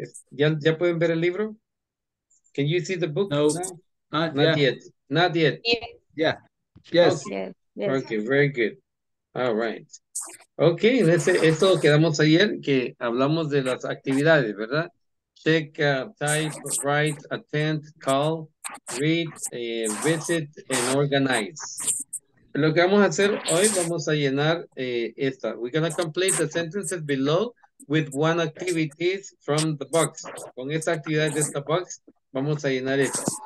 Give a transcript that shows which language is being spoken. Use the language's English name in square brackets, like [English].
[Spanish] ¿Ya pueden ver el libro? [English] Can you see the book? No. Not yet. Not yet. Yeah. Yes. Okay. Yes. Okay, very good. All right. [Spanish] Okay, esto quedamos ayer, que hablamos de las actividades, ¿verdad? [English] Check, type, write, attend, call, read, visit, and organize. [Spanish] lo que vamos a hacer hoy, vamos a llenar esta. [English] We're going to complete the sentences below with one activity from the box. [Spanish] Con esta actividad de esta box, vamos a llenar esta.